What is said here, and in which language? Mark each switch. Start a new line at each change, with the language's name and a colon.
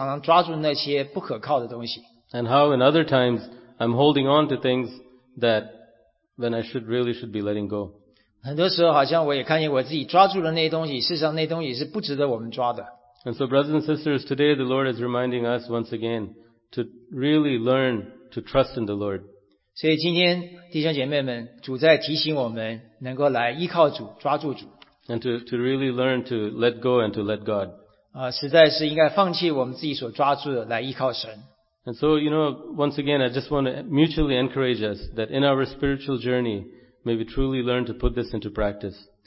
Chinese: 那我父亲这个例子好像就提醒我说，很多时候我也是常常抓住那些不可靠的东西。
English: And how in other times I'm holding on to things that when I should be letting go.
Chinese: 很多时候好像我也看见我自己抓住了那些东西，事实上那些东西是不值得我们抓的。
English: And so brothers and sisters, today the Lord is reminding us once again to really learn to trust in the Lord.
Chinese: 所以今天弟兄姐妹们，主在提醒我们能够来依靠主，抓住主。
English: And to really learn to let go and to let God.
Chinese: 实在是应该放弃我们自己所抓住的来依靠神。
English: And so, you know, once again, I just want to mutually encourage us that in our spiritual journey, may we truly learn to put this into practice.